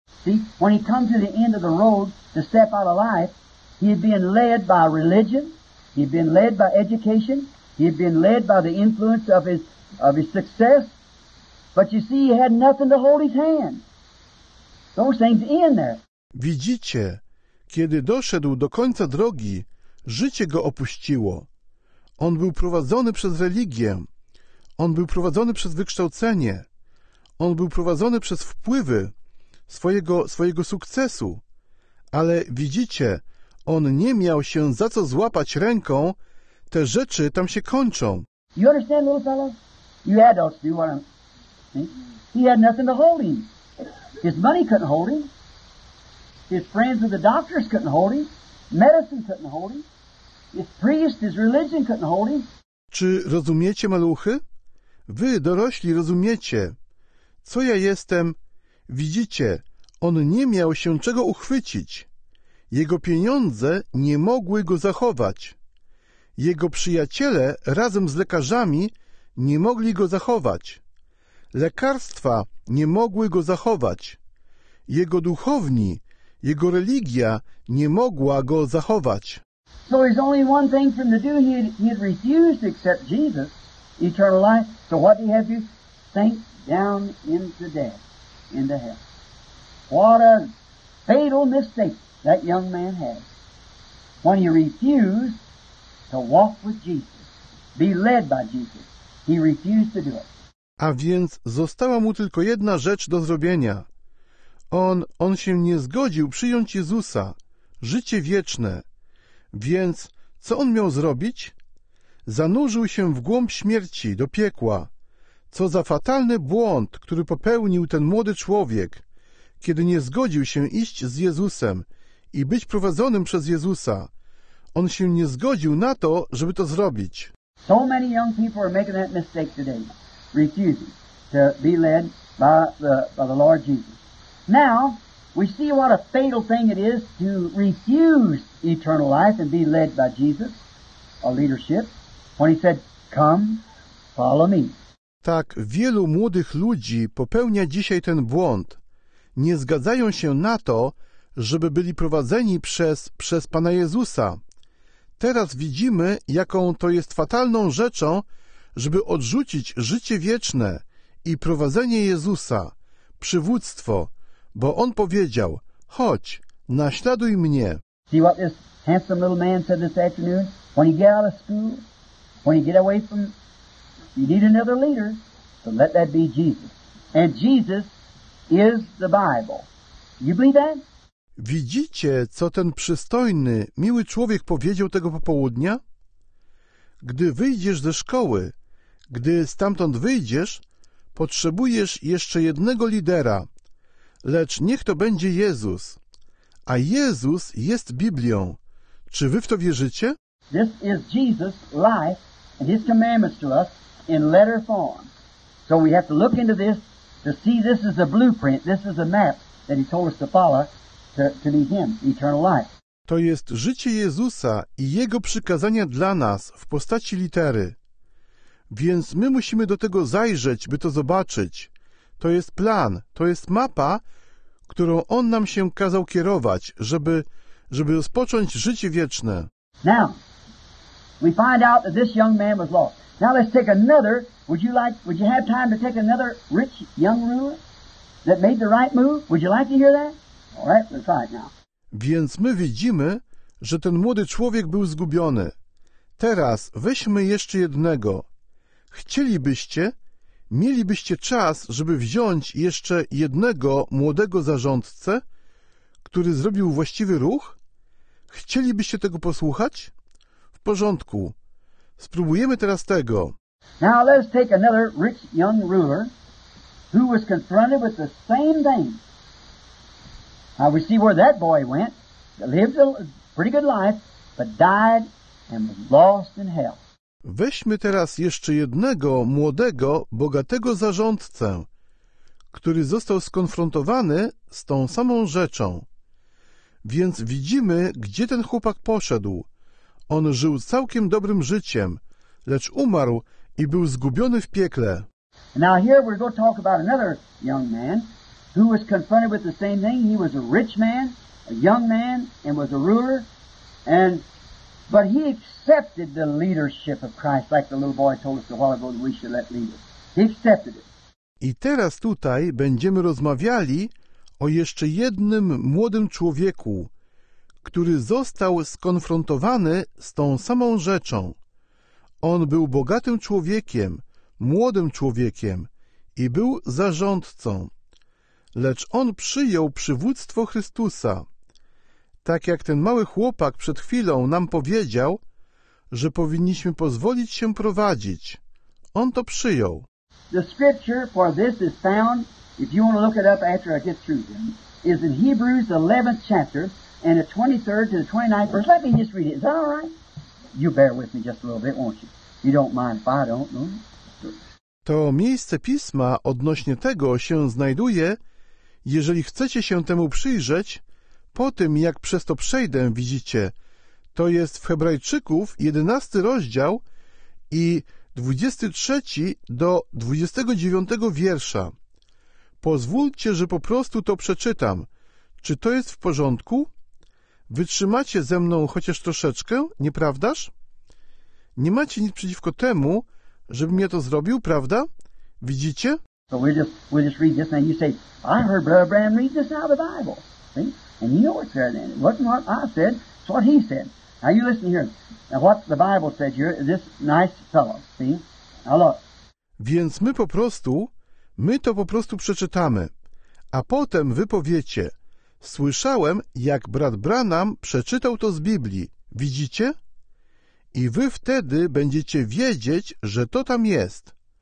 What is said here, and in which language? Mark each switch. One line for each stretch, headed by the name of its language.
English: See, when he comes to the end of the road to step out of life, he had been led by religion, he had been led by education, he had been led by the influence of his success, but you see, he had nothing to hold his hand. Those things end there.
Polish: Widzicie, kiedy doszedł do końca drogi, życie go opuściło. On był prowadzony przez religię. On był prowadzony przez wykształcenie. On był prowadzony przez wpływy swojego sukcesu. Ale widzicie, on nie miał się za co złapać ręką. Te rzeczy tam się kończą.
English: You understand, little fellow? You adults do what I'm... He had nothing to hold him. His money couldn't hold him. His friends with the doctors couldn't hold him. Medicine couldn't hold him. His priest, his religion couldn't hold him.
Polish: Czy rozumiecie, maluchy? Wy, dorośli, rozumiecie. Co ja jestem? Widzicie, on nie miał się czego uchwycić. Jego pieniądze nie mogły go zachować. Jego przyjaciele razem z lekarzami nie mogli go zachować. Lekarstwa nie mogły go zachować. Jego duchowni, jego religia nie mogła go zachować.
English: So there's only one thing for him to do. He had refused to accept Jesus, eternal life. So what did he have to do? Sink down into death, into hell. What a fatal mistake that young man had when he refused to walk with Jesus, be led by Jesus. He refused to do it.
Polish: A więc została mu tylko jedna rzecz do zrobienia. On się nie zgodził przyjąć Jezusa, życie wieczne. Więc co on miał zrobić? Zanurzył się w głąb śmierci, do piekła. Co za fatalny błąd, który popełnił ten młody człowiek, kiedy nie zgodził się iść z Jezusem i być prowadzonym przez Jezusa. On się nie zgodził na to, żeby to zrobić.
English: So many young people are making that mistake today, refusing to be led by the Lord Jesus. Now, we see what a fatal thing it is to refuse eternal life and be led by Jesus, a leadership, when he said, "Come, follow me."
Polish: Tak wielu młodych ludzi popełnia dzisiaj ten błąd. Nie zgadzają się na to, żeby byli prowadzeni przez Pana Jezusa. Teraz widzimy, jaką to jest fatalną rzeczą, żeby odrzucić życie wieczne i prowadzenie Jezusa, przywództwo, bo on powiedział, chodź, naśladuj mnie.
English: See what this handsome little man said this afternoon? When you get out of school, when you get away from, you need another leader, so let that be Jesus. And Jesus is the Bible. You believe that?
Polish: Widzicie, co ten przystojny, miły człowiek powiedział tego popołudnia? Gdy wyjdziesz ze szkoły, gdy stamtąd wyjdziesz, potrzebujesz jeszcze jednego lidera. Lecz niech to będzie Jezus. A Jezus jest Biblią. Czy wy w to wierzycie?
English: This is Jesus' life and his commandments to us in letter form. So we have to look into this to see this is a blueprint, this is a map that he told us to follow. To be him, eternal life.
Polish: To jest życie Jezusa i Jego przykazania dla nas w postaci litery. Więc my musimy do tego zajrzeć, by to zobaczyć. To jest plan, to jest mapa, którą On nam się kazał kierować, żeby rozpocząć życie wieczne.
English: Now, we find out that this young man was lost. Now let's take another, would you have time to take another rich young ruler that made the right move? Would you like to hear that? All right, let's try it now.
Polish: Więc my widzimy, że ten młody człowiek był zgubiony. Teraz weźmy jeszcze jednego. Chcielibyście, mielibyście czas, żeby wziąć jeszcze jednego młodego zarządcę, który zrobił właściwy ruch? Chcielibyście tego posłuchać? W porządku. Spróbujemy teraz tego.
English: Now let's take another rich young ruler who was confronted with the same thing. Now we see where that boy went. He lived a pretty good life, but died and was lost in hell.
Polish: Weźmy teraz jeszcze jednego młodego, bogatego zarządcę, który został skonfrontowany z tą samą rzeczą. Więc widzimy, gdzie ten chłopak poszedł. On żył całkiem dobrym życiem, lecz umarł i był zgubiony w piekle.
English: Now here we're going to talk about another young man who was confronted with the same thing. He was a rich man, a young man, and was a ruler, and but he accepted the leadership of Christ, like the little boy told us a while ago that we should let lead us. He accepted it.
Polish: I teraz tutaj będziemy rozmawiali o jeszcze jednym młodym człowieku, który został skonfrontowany z tą samą rzeczą. On był bogatym człowiekiem, młodym człowiekiem i był zarządcą. Lecz on przyjął przywództwo Chrystusa. Tak jak ten mały chłopak przed chwilą nam powiedział, że powinniśmy pozwolić się prowadzić. On to przyjął.
English: The scripture for this is found, if you want to look it up after I get through them, is in Hebrews 11th chapter and the 23rd to the 29th verse. Let me just read it. Is that all right? You bear with me just a little bit, won't you? You don't mind if I don't, no?
Polish: To miejsce pisma odnośnie tego się znajduje, jeżeli chcecie się temu przyjrzeć, po tym jak przez to przejdę, widzicie, to jest w Hebrajczyków 11 rozdział i 23 do 29 wiersza. Pozwólcie, że po prostu to przeczytam. Czy to jest w porządku? Wytrzymacie ze mną chociaż troszeczkę, nieprawdaż? Nie macie nic przeciwko temu, żebym ja to zrobił, prawda? Widzicie?
English: So we'll just read this and you say, I heard Brother Branham read this out of the Bible. See? And you know what's there then. It wasn't what I said, it's what he said. Now you listen here. Now what the Bible said here, this nice fellow. See? Now look.
Polish: Więc my to po prostu przeczytamy. A potem wy powiecie, słyszałem, jak brat Branham przeczytał to z Biblii. Widzicie? I wy wtedy będziecie wiedzieć, że to tam jest.